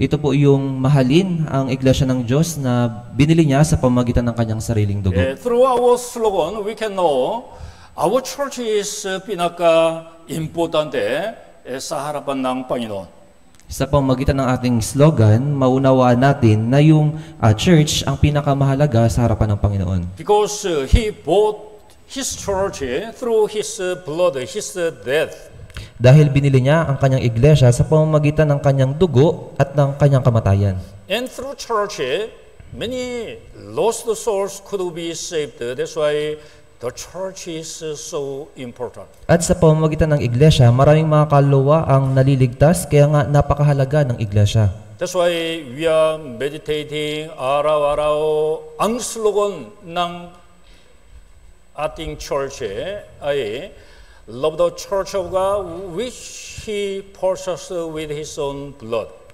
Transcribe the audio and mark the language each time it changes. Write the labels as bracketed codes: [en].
[tl] Ito po yung mahalin ang iglesia ng Diyos na binili niya sa pamamagitan ng kanyang sariling dugo. [en] Through our slogan, we can know our church is [tl] pinaka-importante sa harapan ng Panginoon. Sa pamamagitan ng ating slogan, maunawaan natin na yung church ang pinakamahalaga sa harapan ng Panginoon. [en] Because He bought His church through His blood, His death. [tl] Dahil binili niya ang kanyang iglesia sa pamamagitan ng kanyang dugo at ng kanyang kamatayan. [en] And through church, many lost souls could be saved. That's why the church is so important. [tl] At sa pamamagitan ng iglesia, maraming mga kaluluwa ang naliligtas, kaya nga napakahalaga ng iglesia. [en] That's why we are meditating [tl] araw-araw ang slogan ng ating church ay [en] love the church of God which He purchased with His own blood.